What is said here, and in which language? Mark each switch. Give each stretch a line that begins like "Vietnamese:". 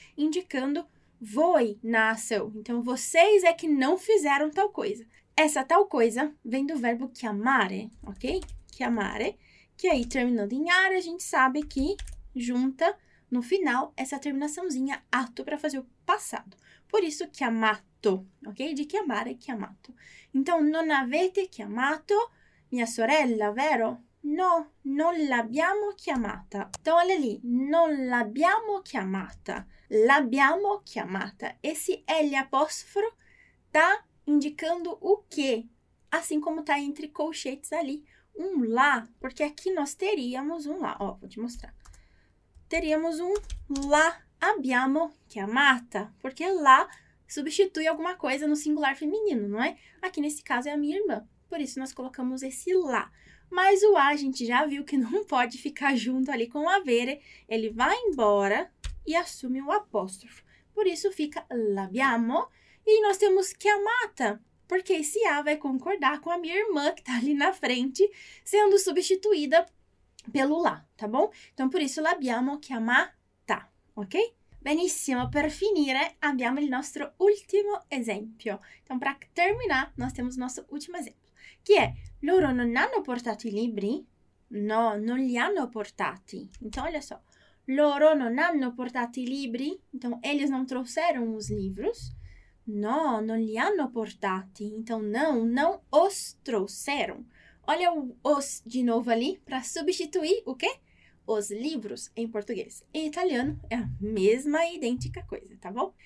Portuguese: Indicando voi na ação. Então, vocês é que não fizeram tal coisa. Essa tal coisa vem do verbo chiamare, ok? Chiamare, que aí terminando em are, a gente sabe que junta no final essa terminaçãozinha ato para fazer o passado. Por isso, chiamato, ok? De chiamare, chiamato.
Italian: Então, non avete chiamato mia sorella, vero? No, non l'abbiamo chiamata.
Portuguese: Então, olha
Italian: lì, non l'abbiamo chiamata. L'abbiamo chiamata.
Portuguese: Esse L apostrofo tá indicando o quê? Assim como tá entre colchetes ali, um lá, porque aqui nós teríamos um lá, ó, vou te mostrar. Teríamos um lá.
Italian: Abbiamo chiamata,
Portuguese: porque la substitui alguma coisa no singular feminino, não é? Aqui nesse caso é a minha irmã, por isso nós colocamos esse la. Mas o a a gente já viu que não pode ficar junto ali com o avere, ele vai embora e assume o apóstrofo. Por isso fica l'abbiamo e nós temos chiamata, porque esse a vai concordar com a minha irmã que está ali na frente, sendo substituída pelo la, tá bom? Então por isso
Italian: l'abbiamo chiamata.
Portuguese: Ok?
Italian: Benissimo, per finire abbiamo il nostro ultimo esempio.
Portuguese: Então, para terminar, nós temos o nosso último exemplo, que é:
Italian: loro non hanno portato i libri? No, non li hanno portati.
Portuguese: Então, olha só:
Italian: loro non hanno portato i libri?
Portuguese: Então, eles não trouxeram os livros?
Italian: No, non li hanno portati.
Portuguese: Então, não os trouxeram. Olha o os de novo ali para substituir o quê? Os livros em português. Em italiano é a mesma idêntica coisa, tá bom?